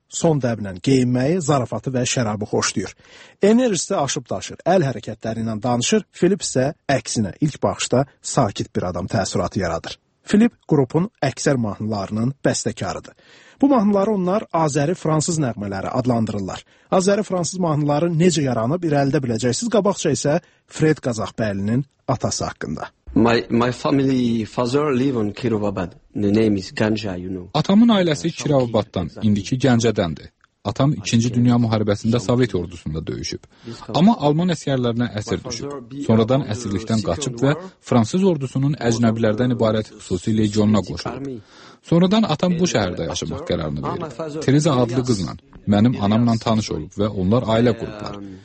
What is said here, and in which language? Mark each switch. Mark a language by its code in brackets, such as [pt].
[az] Son dəblə geyinməyi, zarafatı və şərabı xoşlayır. Enerjisi aşıb daşır, əl hərəkətləri ilə danışır, Filip isə əksinə ilk baxışda sakit bir adam təəssüratı yaradır. Filip qrupun əksər mahnılarının bəstəkarıdır. Bu mahnıları onlar Azəri-Fransız nəğmələri adlandırırlar. Azəri-Fransız mahnıları necə yaranıb irəlidə biləcəksiniz? Qabaqca isə Fred Qazaxbəylinin atası haqqında. [en] My family father live on Kirovabad. The name is Ganja, you know. [az] Atamın ailəsi Kirovabaddan, indiki Gəncədəndir. Atam 2-ci Dünya Müharibəsində Sovet ordusunda döyüşüb. Amma Alman əsgərlərinə əsir düşüb. Sonradan əsirlikdən qaçıb və Fransız ordusunun əcnəbilərdən ibarət xüsusi legionuna qoşulub. Sonradan atam bu şəhərdə yaşamaq qərarını verib. Teresa adlı qızla, mənim anamla tanış olub və onlar ailə qurublar.